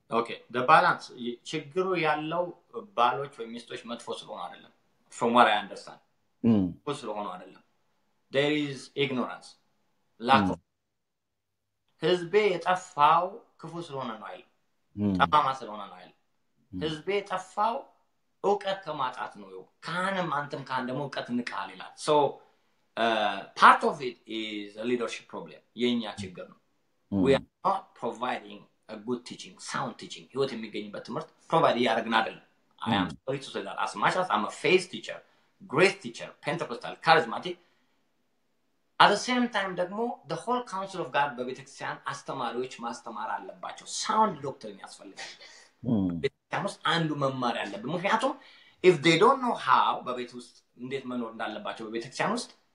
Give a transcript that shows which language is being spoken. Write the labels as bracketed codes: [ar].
[en] ኦኬ ዘ ባላንስ [am] ችግሩ ያለው ባሎች ወይ ሚስቶች መጥፎ ስለሆኑ አይደለም። [en] ፍሮም ዋት አይ አንደርስታንድ መጥፎ ስለሆኑ አይደለም። There is ignorance, lack of. [am] ህዝብ የጠፋው ክፉ ስለሆነ ነው አይደል? ጠማማ ስለሆነ ነው አይደል? ህዝብ የጠፋው እውቀት ከማጣት ነው። ካንም አንተም ካን ደሞ እውቀት ንቃል ይላል። [en] So part of it is a leadership problem. [am] የኛ ችግር ነው። [en] We are not providing a good teaching, sound teaching. ህይወት የሚገኝበት ትምህርት provide ያደርግን አይደል? I am sorry to say that as much as I'm a faith teacher, grace teacher, Pentecostal, charismatic, at the same time ደግሞ the whole counsel of God በቤተክርስቲያን አስተማሪዎች ማስተማር አለባቸው። [am] ሳውንድ ዶክትሪን ያስፈልጋል። [en] ቤተክርስቲያን አንዱ መማር ያለበት ምክንያቱም if they don't know how በቤት ውስጥ እንዴት መኖር እንዳለባቸው በቤተክርስቲያን ውስጥ